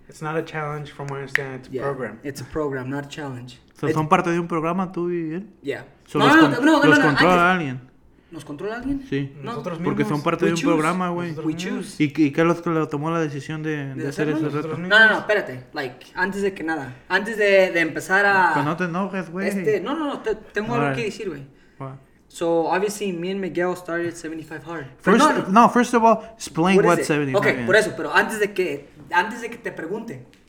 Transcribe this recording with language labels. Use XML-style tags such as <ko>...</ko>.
<en>It's not a challenge, from what I understand, it's a program. It's a program, not a challenge.</en> <es>So, ¿son parte de un programa tú y él?</es> <en>Yeah.</en> <es>So, ¿los controla alguien? ¿Nos controla alguien? Sí. ¿Nosotros mismos? Porque son parte de un programa, güey.</es> <en>We choose.</en> <es>¿Y qué es lo que le tomó la decisión de hacer ese reto? No, espérate. Like, antes de que nada. Antes de empezar a... Pues no te enojes, güey. No, tengo algo que decir, güey.</es> <en>So, obviously, me and Miguel started 75 hard. First of all, explain what 75</en> <es>is. Okay, por eso. Pero antes de que te pregunte.</es>